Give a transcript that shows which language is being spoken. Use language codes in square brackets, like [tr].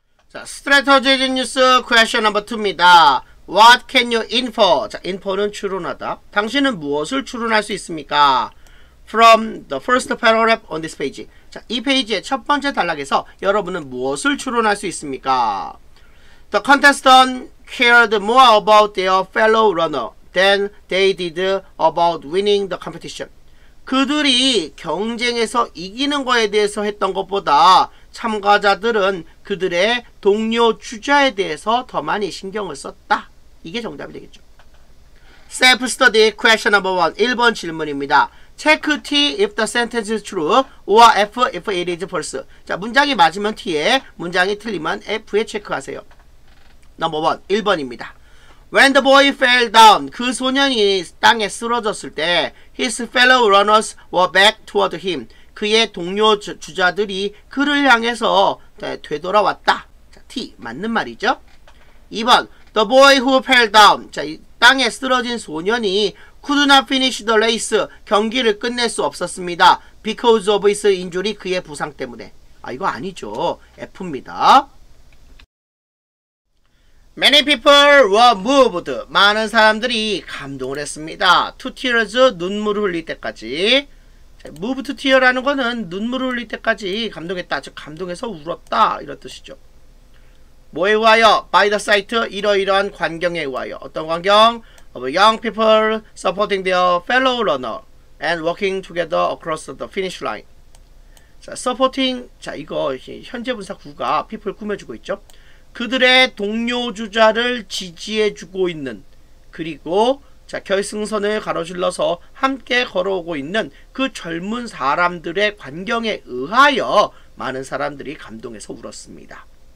[en] 자, strategic news question number 2입니다. What can you infer? [ko] 자, infer는 추론하다. 당신은 무엇을 추론할 수 있습니까? [en] From the first paragraph on this page. [ko] 자, 이 페이지의 첫 번째 단락에서 여러분은 무엇을 추론할 수 있습니까? [en] The contestant cared more about their fellow runner than they did about winning the competition. [ko] 그들이 경쟁에서 이기는 거에 대해서 했던 것보다 참가자들은 그들의 동료 주자에 대해서 더 많이 신경을 썼다. 이게 정답이 되겠죠. [en] Self-study question number 1. [ko] 1번 질문입니다. [en] Check T if the sentence is true or F if it is false. [ko] 자, 문장이 맞으면 T에, 문장이 틀리면 F에 체크하세요. [en] Number 1, [ko] 1번입니다. [en] When the boy fell down, [ko] 그 소년이 땅에 쓰러졌을 때 [en] his fellow runners were back toward him. [ko] 그의 동료 주자들이 그를 향해서 되돌아왔다. 자, T, 맞는 말이죠. 2번, [en] the boy who fell down. [ko] 자, 땅에 쓰러진 소년이 [en] Could not finish the race. [ko] 경기를 끝낼 수 없었습니다. [en] Because of his injury. [ko] 그의 부상 때문에. 아, 이거 아니죠. F입니다. [en] Many people were moved. [ko] 많은 사람들이 감동을 했습니다. [en] To tears. [ko] 눈물을 흘릴 때까지. [en] Move to tear [ko] 라는 거는 눈물을 흘릴 때까지 감동했다. 즉, 감동해서 울었다. 이런 뜻이죠. 뭐에 의하여? [en] By the site, [ko] 이러이러한 관경에 의하여. 어떤 관경? [en] Of young people supporting their fellow runner and working together across the finish line. [ko] 자, supporting, 자, 이거 현재 분사 구가 people 꾸며주고 있죠. 그들의 동료 주자를 지지해주고 있는, 그리고 자, 결승선을 가로질러서 함께 걸어오고 있는 그 젊은 사람들의 관경에 의하여 많은 사람들이 감동해서 울었습니다.